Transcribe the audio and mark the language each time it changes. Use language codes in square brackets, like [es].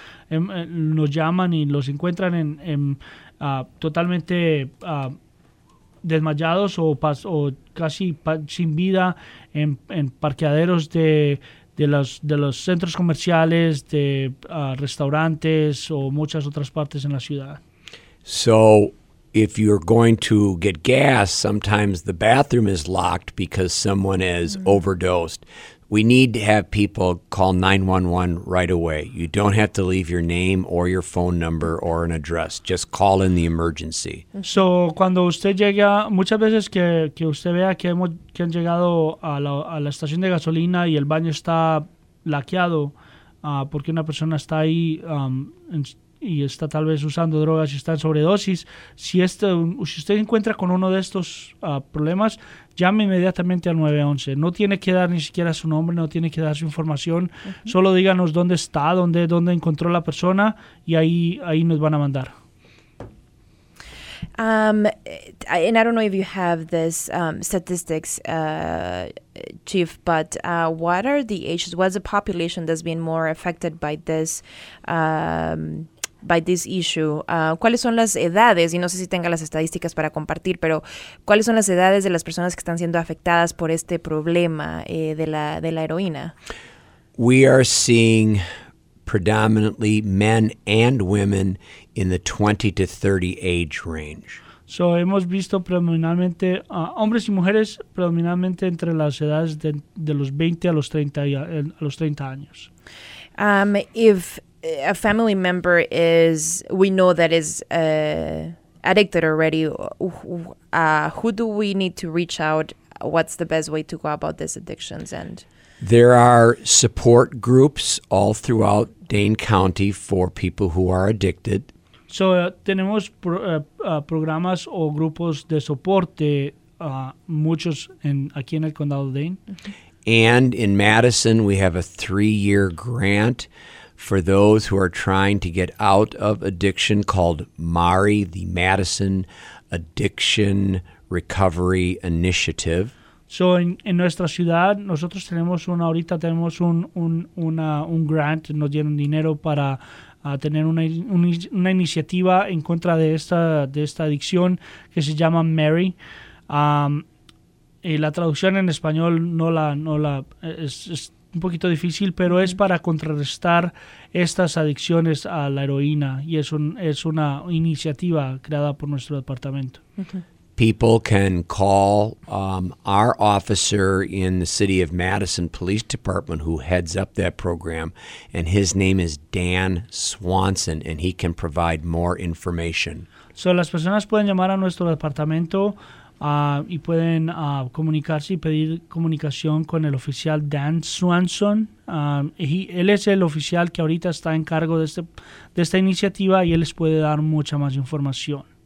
[es] Nos llaman y los encuentran totalmente desmayados o casi sin vida en parqueaderos de los centros comerciales, de restaurantes o muchas otras partes en la ciudad. [en] So if you're going to get gas, sometimes the bathroom is locked because someone has overdosed. We need to have people call 911 right away. You don't have to leave your name or your phone number or an address. Just call in the emergency. [es] So, cuando usted llega, muchas veces que usted vea que han llegado a la estación de gasolina y el baño está laqueado porque una persona está ahí y está tal vez usando drogas y está en sobredosis, si usted encuentra con uno de estos problemas, llame inmediatamente al 911. No tiene que dar ni siquiera su nombre, no tiene que dar su información. Uh-huh. Solo díganos dónde está, dónde encontró la persona y ahí nos van a mandar. [en] And I don't know if you have this statistics, Chief, but what are the ages? What's the population that's been more affected by this by this issue? [es] ¿Cuáles son las edades? Y no sé si tenga las estadísticas para compartir, pero ¿cuáles son las edades de las personas que están siendo afectadas por este problema de la heroína? [en] We are seeing predominantly men and women in the 20 to 30 age range. [es] So hemos visto predominantemente hombres y mujeres predominantemente entre las edades de los 20 a los 30 años. [en] If a family member is, we know that is addicted already, who do we need to reach out? What's the best way to go about this addictions? And there are support groups all throughout Dane County for people who are addicted. [es] So tenemos programas o grupos de soporte muchos aquí en el condado de Dane. [en] And in Madison, we have a 3-year grant for those who are trying to get out of addiction called MARI, the Madison Addiction Recovery Initiative. [es] So en nuestra ciudad, nosotros tenemos un grant, nos dieron dinero para tener una iniciativa en contra de esta adicción que se llama MARI. Y la traducción en español es un poquito difícil, pero es para contrarrestar estas adicciones a la heroína y es una iniciativa creada por nuestro departamento. [en] Okay. People can call our officer in the City of Madison Police Department who heads up that program, and his name is Dan Swanson, and he can provide more information. [es] So las personas pueden llamar a nuestro departamento y pueden comunicarse y pedir comunicación con el oficial Dan Swanson. Él es el oficial que ahorita está en cargo de esta iniciativa y él les puede dar mucha más información.